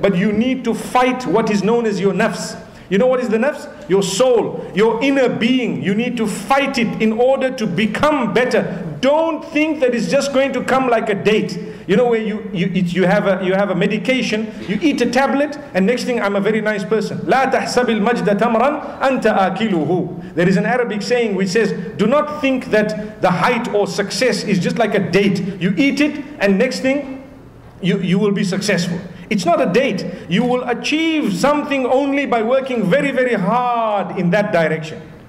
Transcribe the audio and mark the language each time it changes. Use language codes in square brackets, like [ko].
[en] But you need to fight what is known as your nafs. You know what is the nafs? Your soul, your inner being. You need to fight it in order to become better. Don't think that it's just going to come like a date. You know where you have a medication, you eat a tablet, and next thing I'm a very nice person. [ar] لا تحسب المجد تمرا أنت آكله. [en] There is an Arabic saying which says, do not think that the height or success is just like a date. You eat it and next thing you will be successful. It's not a date. You will achieve something only by working very, very hard in that direction.